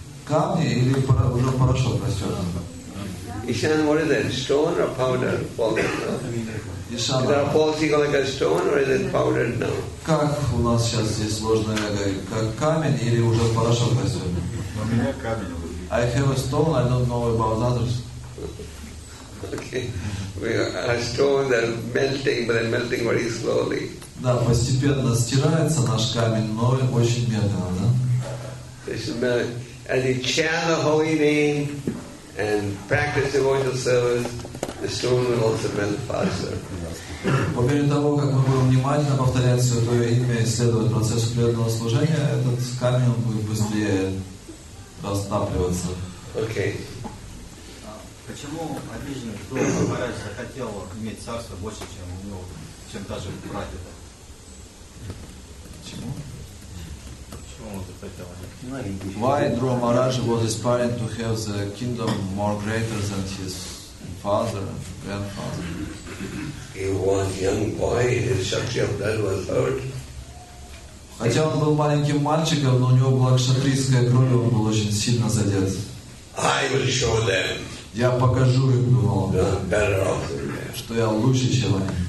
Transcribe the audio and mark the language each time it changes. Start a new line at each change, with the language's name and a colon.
Russian: Камни или уже порошок растет?
English: Ishan, what is it? Stone or powder? Powder. No? Is there a false ego like a stone or is it powdered now?
Russian: Как у нас сейчас здесь сложное эго? Как камень или уже порошок растет? У меня камень.
English: I have a stone. I don't know about others. Okay, we are stone that melting, but they're melting very slowly.
Russian: Да, постепенно стирается наш камень, но очень медленно, да?
English: As you chant the holy name and practice devotional service, the stone will also melt faster.
Russian: По мере того, как мы будем внимательно повторять Святое Имя и следовать процессу преданного служения, этот камень будет быстрее растапливаться.
English: Okay.
Russian: Почему обиженный, кто Махарадж захотел иметь царство больше, чем у него, чем даже прадеда? Почему? Почему он захотел?
English: Why Dhruva Maharaj was aspiring to have the kingdom more greater than his father and grandfather? He was a young boy, his Kshatriya blood was hurt.
Russian: Хотя он был маленьким мальчиком, но у него была кшатрийская кровь, он был очень сильно задет.
English: I will show them.
Russian: Я покажу им, думал,
English: yeah,
Russian: что я лучше, чем они.